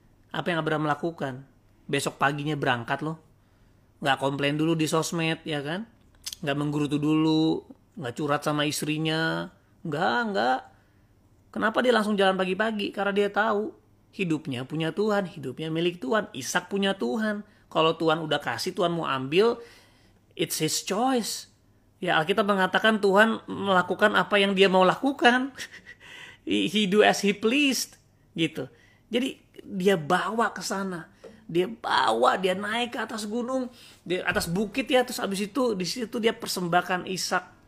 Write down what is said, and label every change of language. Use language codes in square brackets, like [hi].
[id] Apa yang Abraham lakukan? Besok paginya berangkat loh. Gak komplain dulu di sosmed, ya kan? Gak menggerutu dulu. Gak curhat sama istrinya. Gak. Kenapa dia langsung jalan pagi-pagi? Karena dia tahu hidupnya punya Tuhan. Hidupnya milik Tuhan. Ishak punya Tuhan. Kalau Tuhan udah kasih, Tuhan mau ambil, [en] it's his choice. [id] Ya Alkitab mengatakan Tuhan melakukan apa yang dia mau lakukan. [en] He do as he pleased [id] gitu. Jadi dia bawa ke sana. Dia bawa, dia naik ke atas gunung, di atas bukit ya, terus abis itu di situ dia persembahkan Ishak.